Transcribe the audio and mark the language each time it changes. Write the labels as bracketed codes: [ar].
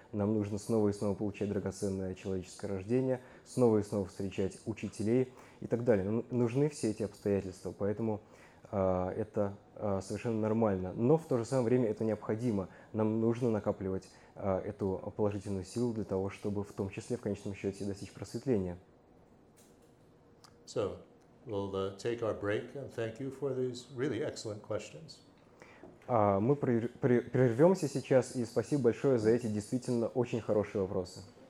[ru] Нам нужно снова и снова получать драгоценное человеческое рождение, снова и снова встречать учителей и так далее. Нужны все эти обстоятельства, поэтому это совершенно нормально. Но в то же самое время это необходимо. Нам нужно накапливать эту положительную силу для того, чтобы в том числе в конечном счете достичь просветления. [en] So, we'll take our break and thank you for these really excellent questions. [ru] Мы прервемся сейчас, и спасибо большое за эти действительно очень хорошие вопросы.